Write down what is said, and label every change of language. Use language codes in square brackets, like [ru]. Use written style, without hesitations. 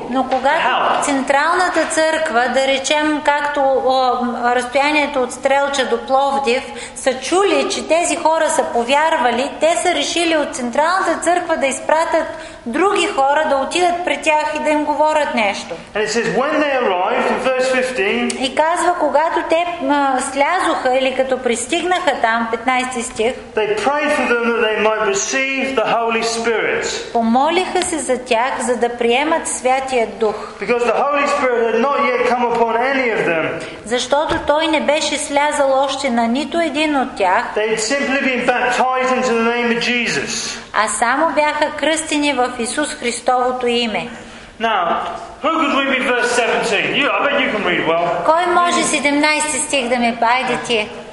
[bg] Но когато централната църква, да речем както разстоянието от Стрелча до Пловдив, са чули, че тези хора са повярвали, те са решили от централната църква да изпратят други хора да отидат при тях и да им говорят нещо. [en] And it says, when they arrived, in verse 15, [bg] и казва, когато те слязоха или като пристигнаха там, 15 стих, [en] they prayed for them that they might receive the Holy Spirit. [bg] Помолиха се за тях, за да приемат Святия Дух. [en] Because the Holy Spirit had not yet come upon any of them. [bg] Защото той не беше слязал още на нито един от тях. [en] They had simply been baptized into the name of Jesus. [bg] А само бяха кръстени в Исус Христовото име. [en] Now, who could read me verse 17? You, I bet you can read well. [bg] Кой може 17 стих да ми пайде ти?